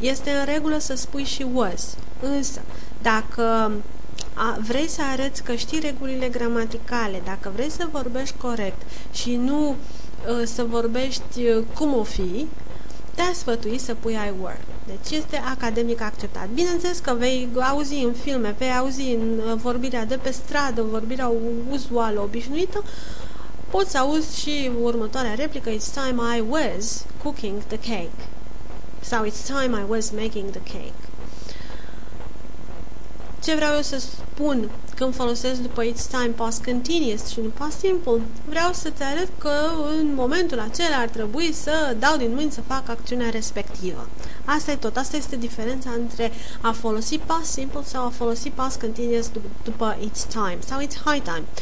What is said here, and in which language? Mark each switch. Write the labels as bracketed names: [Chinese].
[Romanian] Este în regulă să spui și was, însă dacă vrei să arăți că știi regulile gramaticale, dacă vrei să vorbești corect și nu să vorbești cum o fi, te-a sfătuit să pui I were. Deci este academic acceptat. Bineînțeles că vei auzi în filme, vei auzi în vorbirea de pe stradă, vorbirea uzuală, obișnuită, poți auzi și următoarea replică, [English] it's time I was cooking the cake. Sau it's time I was making the cake. [Romanian] Ce vreau eu să spun când folosesc după it's time past continuous și nu past simple? Vreau să-ți arăt că în momentul acela ar trebui să dau din mâini să fac acțiunea respectivă. Asta e tot. Asta este diferența între a folosi past simple sau a folosi past continuous după it's time sau it's high time.